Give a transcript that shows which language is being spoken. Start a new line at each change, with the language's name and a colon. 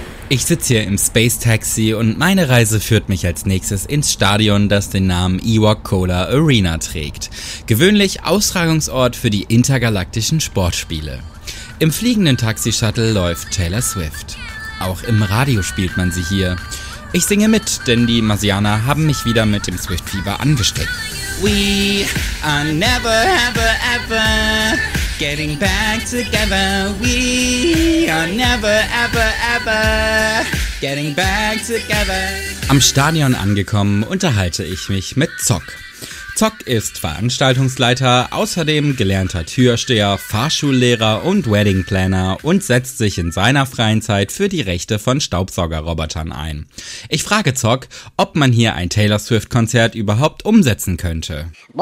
German: Ich sitze hier im Space Taxi und meine Reise führt mich als nächstes ins Stadion, das den Namen Ewok Cola Arena trägt. Gewöhnlich Austragungsort für die intergalaktischen Sportspiele. Im fliegenden Taxi-Shuttle läuft Taylor Swift. Auch im Radio spielt man sie hier. Ich singe mit, denn die Marsianer haben mich wieder mit dem Swift-Fieber angesteckt.
English: We are never ever ever getting back together. We are never ever ever getting back together.
German: Am Stadion angekommen, unterhalte ich mich mit Zock. Zock ist Veranstaltungsleiter, außerdem gelernter Türsteher, Fahrschullehrer und Weddingplaner und setzt sich in seiner freien Zeit für die Rechte von Staubsaugerrobotern ein. Ich frage Zock, ob man hier ein Taylor Swift-Konzert überhaupt umsetzen könnte.